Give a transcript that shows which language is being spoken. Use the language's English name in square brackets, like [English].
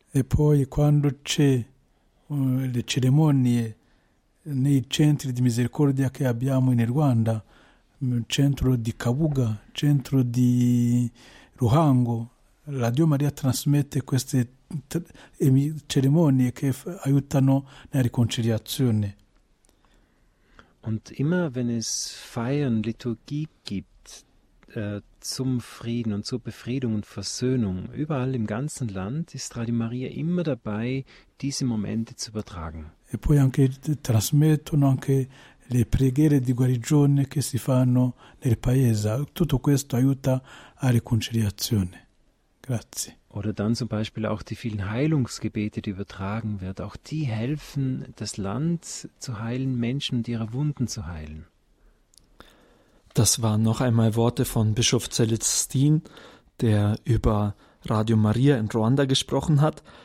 [Italian] E poi quando c'è le cerimonie nei centri di misericordia che abbiamo in Ruanda, centro di Kabuga, centro di Ruhango, Radio Maria trasmette queste cerimonie che aiutano nella riconciliazione. [German] Und immer wenn es Feiern, Liturgie gibt zum Frieden und zur Befriedung und Versöhnung, überall im ganzen Land ist Radio Maria immer dabei, diese Momente zu übertragen. [Italian] E poi anche trasmettono anche le preghiere di guarigione che si fanno nel paese, tutto questo aiuta a riconciliazione. Grazie. [German] Oder dann zum Beispiel auch die vielen Heilungsgebete, die übertragen werden, auch die helfen, das Land zu heilen, Menschen und ihre Wunden zu heilen. Das waren noch einmal Worte von Bischof Celestin, der über Radio Maria in Ruanda gesprochen hat.